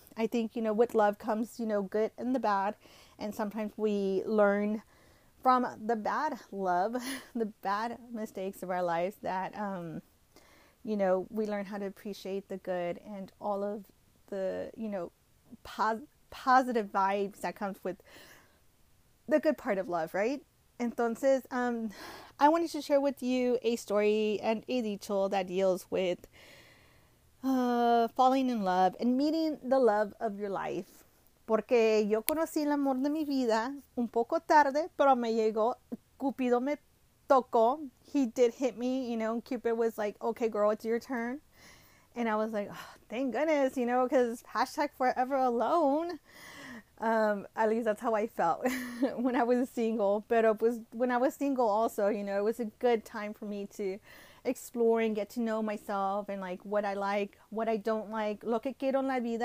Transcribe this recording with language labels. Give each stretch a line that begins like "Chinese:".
English: I think, you know, with love comes, you know, good and the bad. And sometimes we learn from the bad love, the bad mistakes of our lives that, you know, we learn how to appreciate the good and all of the, you know, positive vibes that comes with the good part of love, right?
Spanish: Entonces,
English: I wanted to share with you a story and a dicho that deals with falling in love and meeting the love of your life.
Spanish: Porque yo conocí el amor de mi vida un poco tarde, pero me llegó, Cupido me tocó.
English: He did hit me, you know, Cupid was like, okay, girl, it's your turn. And I was like, oh, thank goodness, you know, because hashtag forever alone. At least that's how I felt when I was single. But it was when I was single also, you know, it was a good time for me to explore and get to know myself and like what I like, what I don't like.
Spanish: Lo que quiero en la vida.